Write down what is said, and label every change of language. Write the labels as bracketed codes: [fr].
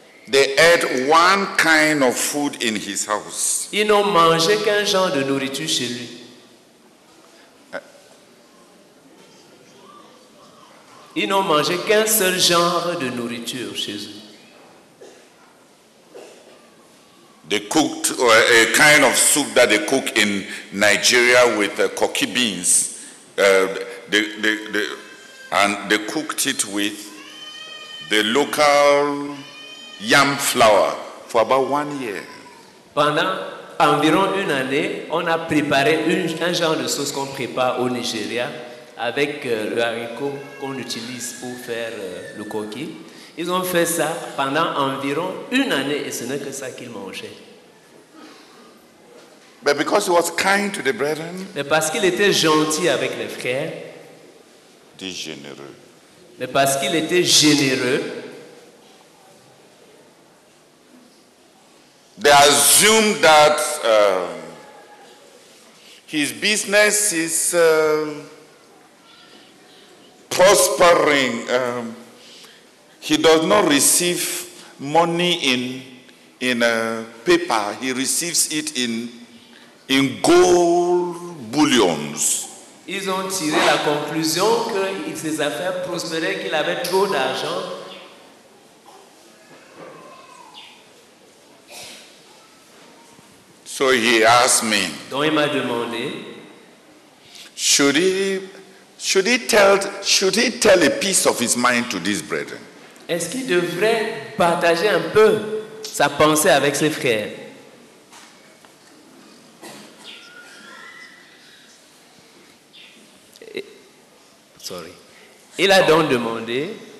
[en] they ate one kind of food in his house. [fr] Ils n'ont mangé qu'un genre de nourriture chez lui. Ils n'ont mangé qu'un seul genre de nourriture chez eux. [en] They cooked a kind of soup that they cook in Nigeria with cocky beans. They cooked it with the local yam flour for about 1 year. [fr] Pendant environ une année, on a préparé un genre de sauce qu'on prépare au Nigeria. Avec le haricot qu'on utilise pour faire le coquille. Ils ont fait ça pendant environ une année et ce n'est que ça qu'ils mangeaient. [en] But because he was kind to the brethren, [fr] mais parce qu'il était gentil avec les frères, généreux. Mais parce qu'il était généreux, [en] they assume that his business is prospering. He does not receive money in a paper. He receives it in gold bullions. [fr] Ils ont tiré la conclusion que ses affaires prospéraient, qu'il avait trop d'argent. [en] So he asked me. [fr] Donc il m'a demandé. [en] Should he tell a piece of his mind to these brethren? [fr] Est-ce qu'il devrait partager un peu sa pensée avec ses frères? [en] Sorry. [fr] Il a donc demandé.